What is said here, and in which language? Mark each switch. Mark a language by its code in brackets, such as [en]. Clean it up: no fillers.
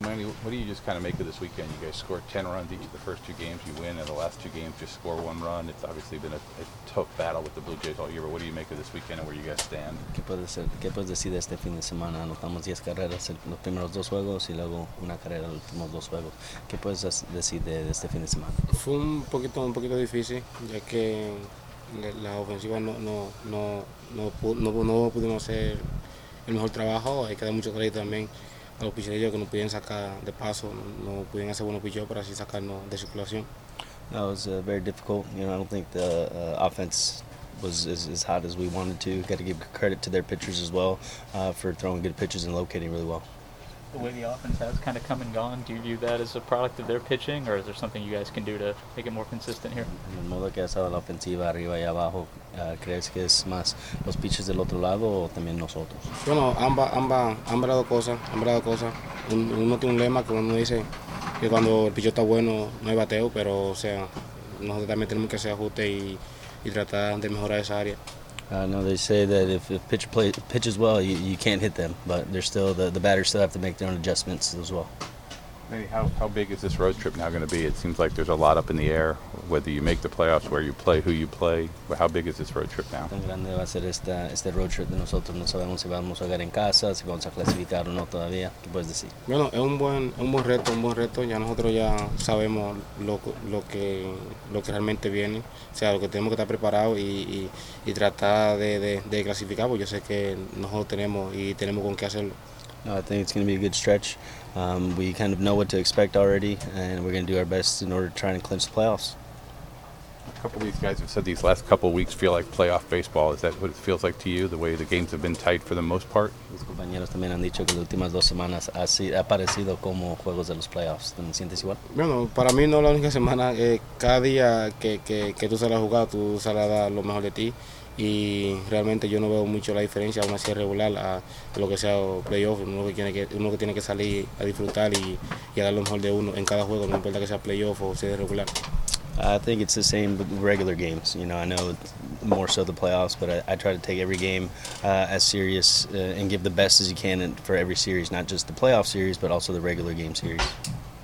[en] Manny, what do you just kind of make of this weekend? You guys scored 10 runs each of the first two games. You win, and the last two games just score one run. It's obviously been a tough battle with the Blue Jays all year, but what do you make of this weekend and where you guys stand? [es] ¿Qué puedes ser? ¿Qué puedes decir de este fin de semana? Anotamos 10 carreras en los primeros dos juegos y luego una carrera en los últimos dos juegos. ¿Qué puedes decir de este fin de semana? Fue un poquito difícil, ya que la ofensiva no pudimos hacer el mejor trabajo. Hay que dar mucho crédito también a los picheros que nos pudieron sacar de paso, no pudieron hacer buenos picheros para así sacarnos de circulación. [en] That was very difficult. You know, I don't think the offense was as hot as we wanted to. Got to give credit to their pitchers as well for throwing good pitches and locating really well. The way the offense has kind of come and gone, do you view that as a product of their pitching, or is there something you guys can do to make it more consistent here? [es] El modo que ha estado la ofensiva arriba y abajo, ¿crees que es más los pitchers del otro lado o también nosotros? Bueno, ambas dos cosas. Uno tiene un lema que uno dice que cuando el pitcher está bueno no hay bateo, pero o sea, nosotros también tenemos que hacer ajuste y tratar de mejorar esa área. [en] No, they say that if pitches well, you can't hit them, but they're still the batters still have to make their own adjustments as well. Manny, how big is this road trip now going to be? It seems like there's a lot up in the air. Whether you make the playoffs, where you play, who you play, how big is this road trip now? [es] Tan grande va a ser este road trip de nosotros. No sabemos si vamos a jugar en casa, si vamos a clasificar o no todavía. ¿Qué puedes decir? Bueno, es un buen reto. Ya nosotros ya sabemos lo que realmente viene. O sea, lo que tenemos que estar preparados y tratar de clasificar. Pues yo sé que nosotros tenemos y tenemos con qué hacerlo. [en] No, I think it's going to be a good stretch. We kind of know what to expect already, and we're going to do our best in order to try and clinch the playoffs. A couple of these guys have said these last couple of weeks feel like playoff baseball. Is that what it feels like to you, the way the games have been tight for the most part? [es] Mis compañeros también han dicho que las últimas dos semanas ha parecido como juegos de los playoffs. ¿Te sientes igual? Bueno, para mí no la única semana. Cada día que tú sales a jugar, tú sales a dar lo mejor de ti. Y realmente yo no veo mucho la diferencia, aún así es regular, a lo que sea playoff. Uno que tiene que salir a disfrutar y a dar lo mejor de uno en cada juego, no importa que sea playoff o sea regular. [en] I think it's the same with regular games. You know, I know more so the playoffs, but I try to take every game as serious and give the best as you can for every series, not just the playoff series, but also the regular game series.